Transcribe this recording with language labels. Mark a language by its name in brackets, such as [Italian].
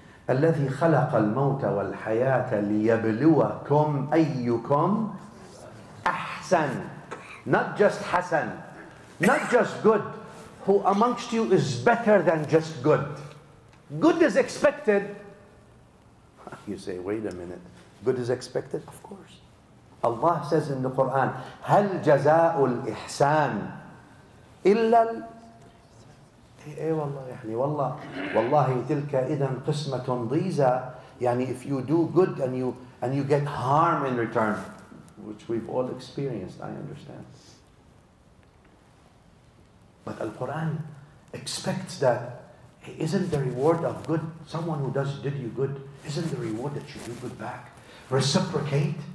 [Arabic] الذي خلق الموت والحياة ليبلوكم أيكم أحسن. [English] Not just حسن. Not just good. Who amongst you is better than just good? Good is expected. You say, wait a minute. Good is expected? Of course. Allah says in the Quran, [Arabic] هل جزاء الإحسان إلا ال... أي والله يعني والله والله تلك إذا قسمة ضيزة. يعني [English] if you do good and you get harm in return, which we've all experienced, I understand. But the Quran expects that. Isn't the reward of good, someone who does did you good, isn't the reward that you do good back? Reciprocate.